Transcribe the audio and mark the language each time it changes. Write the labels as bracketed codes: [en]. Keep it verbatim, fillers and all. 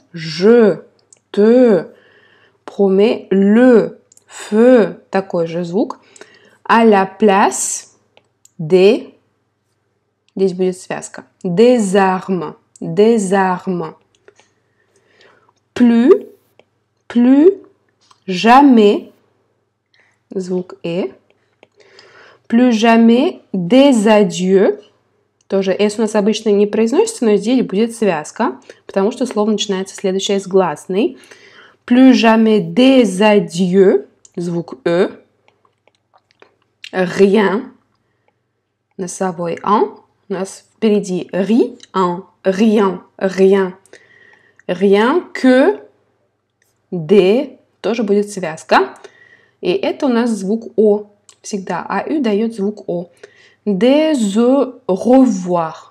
[fr] Je te promets le feu, [ru] такой же звук, [fr] à la place des, [ru] здесь будет связка, [fr] des armes, des armes. Plus, plus, jamais, [ru] звук «э», [fr] plus jamais des adieux. [ru] Тоже «с» у нас обычно не произносится, но здесь будет связка, потому что слово начинается следующее с гласной. [fr] Plus jamais des adieux, [ru] звук «э», [fr] rien, [ru] носовой «ан». У нас впереди [fr] «rien», «rien», «rien», «rien que», «des», [ru] тоже будет связка. И это у нас звук «о». Всегда «ау» дает звук «о». [fr] Des au revoir.